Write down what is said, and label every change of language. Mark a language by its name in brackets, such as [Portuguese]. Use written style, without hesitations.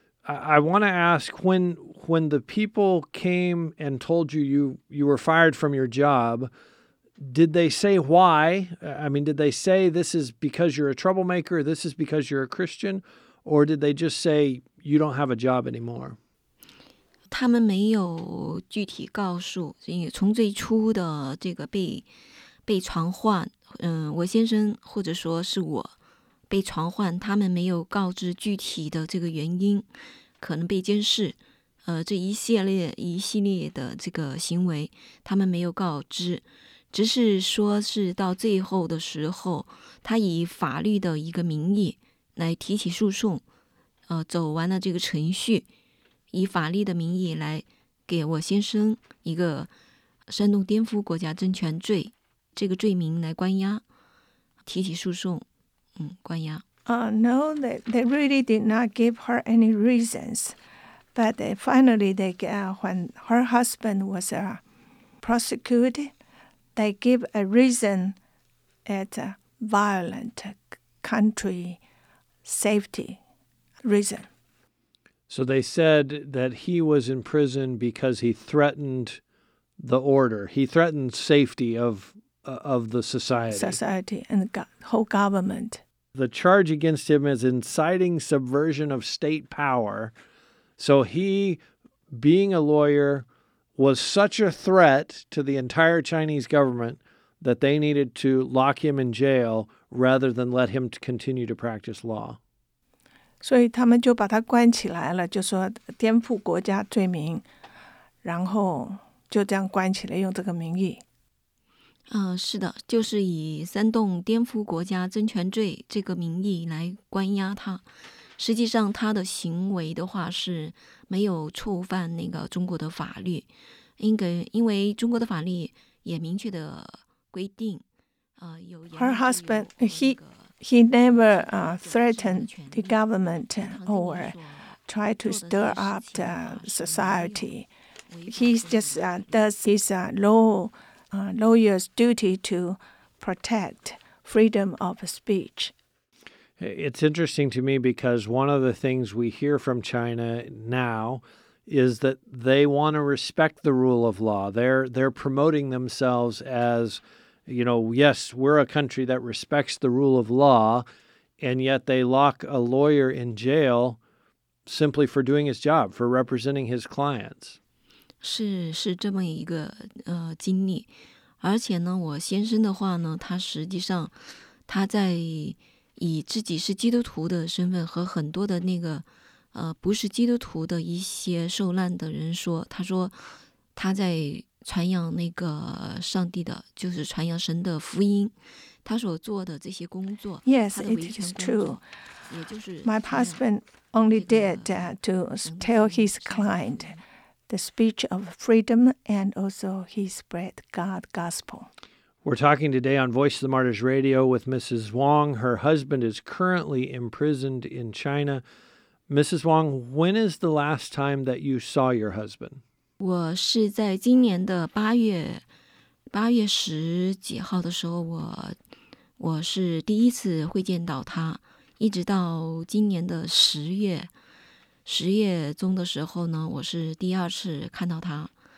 [English] I want to ask, when the people came and told you you were fired from your job, did they say why? I mean, did they say this is because you're a troublemaker, this is because you're a Christian, or did they just say you don't have a job anymore? [Chinese] 他们没有具体告诉，因为从最初的这个被传唤，我先生或者说是我被传唤，他们没有告知具体的这个原因，可能被监视，这一系列的这个行为，他们没有告知，只是说是到最后的时候，他以法律的一个名义来提起诉讼，走完了这个程序。以法律的名义来给我先生一个煽动颠覆国家政权罪这个罪名来关押提起诉讼关押。 [English] No, they really did not give her any reasons. But they, finally, they, when her husband was prosecuted, they gave a reason at a violent country safety reason. So they said that he was in prison because he threatened the order. He threatened safety of the society. Society and the whole government. The charge against him is inciting subversion of state power. So he, being a lawyer, was such a threat to the entire Chinese government that they needed to lock him in jail rather than let him continue to practice law. [Chinese] 所以他们就把他关起来了，就说颠覆国家罪名，然后就这样关起来，用这个名义。是的，就是以煽动颠覆国家政权罪这个名义来关押他。实际上他的行为的话是没有触犯那个中国的法律，因为中国的法律也明确的规定，有严格的 [English] Her husband, He never threatened the government or tried to stir up the society. He just does his lawyer's duty to protect freedom of speech. It's interesting to me because one of the things we hear from China now is that they want to respect the rule of law. They're promoting themselves as... You know, yes, we're a country that respects the rule of law, and yet they lock a lawyer in jail simply for doing his job, for representing his clients. [Chinese] 是这么一个经历，而且呢，我先生的话呢，他实际上他在以自己是基督徒的身份和很多的那个不是基督徒的一些受难的人说，他说他在。传扬那个上帝的，就是传扬神的福音。他所做的这些工作 [English] ，Yes, it is true. My husband only did to tell his client the speech of freedom and also he spread God's gospel. We're talking today on Voice of the Martyrs Radio with Mrs. Wong. Her husband is currently imprisoned in China. Mrs. Wong, when is the last time that you saw your husband? [Chinese] 我是在今年的八月十几号的时候，我是第一次会见到他，一直到今年的十月中的时候呢，我是第二次看到他。